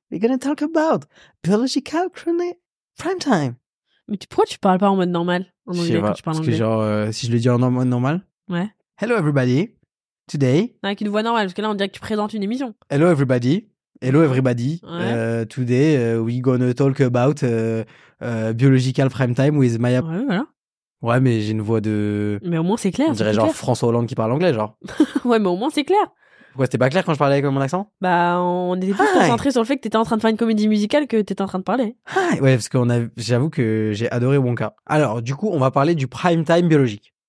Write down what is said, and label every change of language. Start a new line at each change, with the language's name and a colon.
English: We're gonna talk about biological prime time.
French: Mais pourquoi tu parles pas en mode normal en anglais quand tu parles anglais? Parce que genre, si je le dis en mode normal. Ouais.
English: Hello everybody, today.
French: Avec une voix normale, parce que là on dirait que tu présentes une émission.
English: Hello everybody. Hello everybody, ouais. Today we gonna talk about biological prime time with Maya.
French: Ouais, voilà. Ouais, mais j'ai une voix de... Mais au moins c'est clair. On dirait genre clair. François Hollande qui parle anglais, genre. Ouais, mais au moins c'est clair. Pourquoi c'était pas clair quand je parlais avec mon accent? Bah, on était plus concentré sur le fait que t'étais en train de faire une comédie musicale que t'étais en train de parler.
English: Hi.
French: Ouais, parce que j'avoue que j'ai adoré Wonka. Alors, du coup, on va parler du prime time biologique.